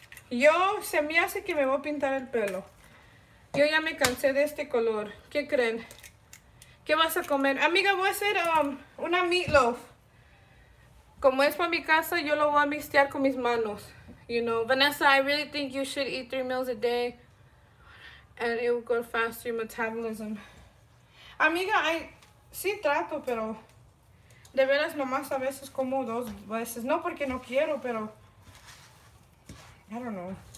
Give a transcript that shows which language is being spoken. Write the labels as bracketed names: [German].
[Spanish] Yo, se me hace que me voy a pintar el pelo. Yo ya me cansé de este color. ¿Qué creen? ¿Qué vas a comer? Amiga, voy a hacer una meatloaf. Como es para mi casa, yo lo voy a mixtear con mis manos. [English] You know, Vanessa, I really think you should eat 3 meals a day. And it will go faster your metabolism. [Spanish] Amiga, I sí trato, pero de veras nomás a veces como 2 veces. No porque no quiero, pero [English] I don't know.